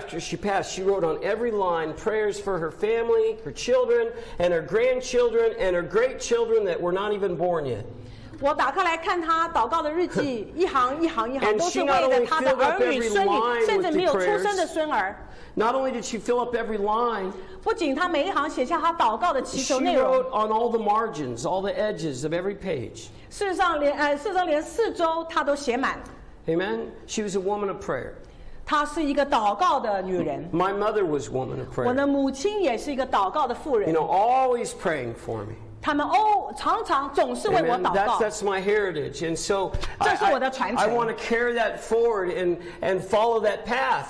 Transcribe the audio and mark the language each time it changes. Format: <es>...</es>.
<zh>当我的祖母过世的时候，我发现，应该是外婆，她有这么多祷告的笔记。</zh> <en>And I looked at them later after she passed. She wrote on every line prayers for her family, her children, and her grandchildren, and her great children that were not even born yet.</en> <zh>我打开来看她祷告的日记，一行一行一行，都是为了她的儿女、孙女，甚至没有出生的孙儿。</zh> <en>Not only did she fill up every line,</en> <zh>不仅她每一行写下她祷告的祈求内容,</zh> <en>she wrote on all the margins, all the edges of every page.</en> <zh>事实上连四周她都写满。</zh> <en>Amen? She was a woman of prayer.</en> <zh>她是一个祷告的女人。</zh> <en>My mother was a woman of prayer.</en> <zh>我的母亲也是一个祷告的妇人。</zh> <en>You know, always praying for me.</en> <zh>他们常常总是为我祷告。</zh> <en>That's my heritage. And so,</en> <zh>这是我的传承。</zh> <en>I want to carry that forward and follow that path.</en>